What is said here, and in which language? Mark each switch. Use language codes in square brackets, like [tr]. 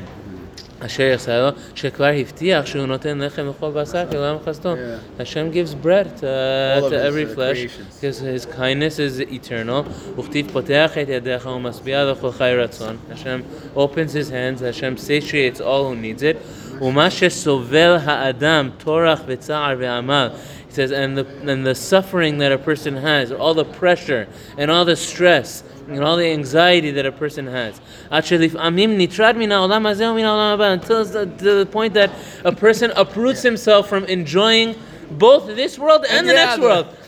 [en] Right? Hashem gives bread to every flesh because his kindness is eternal. Hashem opens his hands. Hashem satiates all who needs it. [he] ומה שסובל האדם תורח וצער ועמל. [en] He says, and the suffering that a person has, all the pressure and all the stress and all the anxiety that a person has, [he] עד שלפעמים נטרד מן העולם הזה ומן העולם הבא, [en] until the point that a person uproots himself from enjoying both this world and the next world.